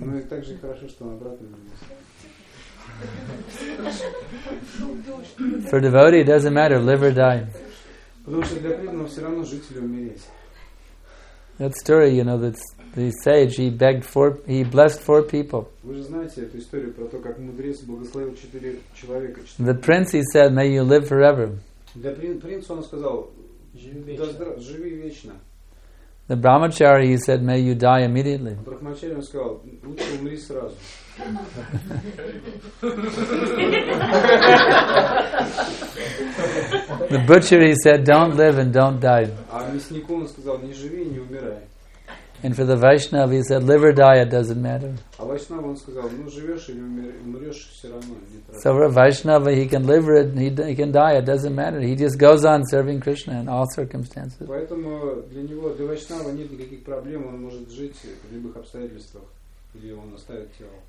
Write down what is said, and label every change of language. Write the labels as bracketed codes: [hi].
[ru] Ну и также хорошо, что он обратно вернулся. [en] For devotee, it doesn't matter, live or die. [ru] Потому что для преданного все равно жить или умереть. [en] That story, you know, that the sage he blessed four people. [ru] Вы же знаете эту историю про то, как мудрец благословил четыре человека. [en] The prince, he said, may you live forever. [ru] Для принца он сказал, живи вечно. [en] The brahmachari, he said, may you die immediately. [ru] Брахмачари, он сказал, лучше умри сразу. [en] The butcher, he said, don't live and don't die. [ru] А мяснику он сказал, не живи и не умирай. [en] And for the Vaishnav, he said, live or die, it doesn't matter. [ru] А Вайшнава, он сказал, ну живешь или умрешь, все равно. [en] So for a Vaishnava, he can live or he can die, it doesn't matter. He just goes on serving Krishna in all circumstances. [ru] Поэтому для него, для Вайшнава нет никаких проблем, он может жить в любых обстоятельствах, или он оставит тело.